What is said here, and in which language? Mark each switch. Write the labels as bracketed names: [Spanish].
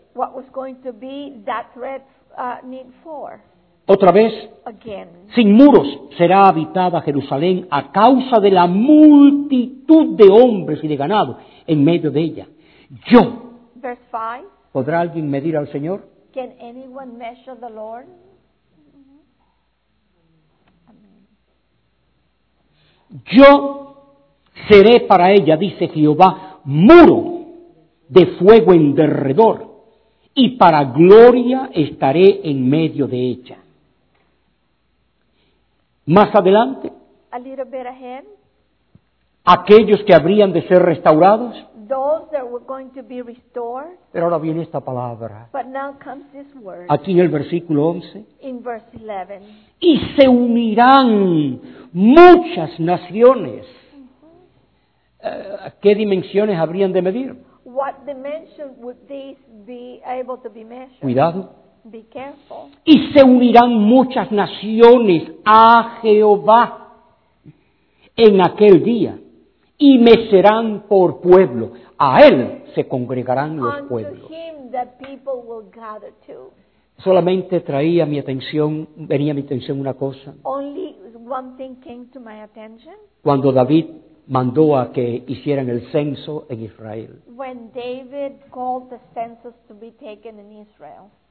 [English] What was going to be that red need for? [Spanish] Otra vez, [English] again, [Spanish] sin muros será habitada Jerusalén a causa de la multitud de hombres y de ganado en medio de ella. Yo. [English] Verse 5. [Spanish] ¿Podrá alguien medir al Señor? [English] Can anyone measure the Lord? [Spanish] Yo seré para ella, dice Jehová, muro de fuego en derredor, y para gloria estaré en medio de ella. Más adelante, [English] a little bit ahead, [Spanish] aquellos que habrían de ser restaurados, [English] those that were going to be restored, [Spanish] pero ahora viene esta palabra, [English] but now comes this word, [Spanish] aquí en el versículo 11, [English] in verse 11, [Spanish] y se unirán muchas naciones. ¿Qué dimensiones habrían de medir? [English] What dimension would these be able to be measured? [Spanish] Cuidado. [English] Be careful. [Spanish] Y se unirán muchas naciones a Jehová en aquel día, y me serán por pueblo. A él se congregarán los [English] unto [Spanish] pueblos. [English] Him that people will gather to. [Spanish] Solamente traía mi atención, venía a mi atención una cosa. [English] Only one thing came to my attention. [Spanish] Cuando David mandó a que hicieran el censo en Israel. [English] When David called the census to be taken in Israel.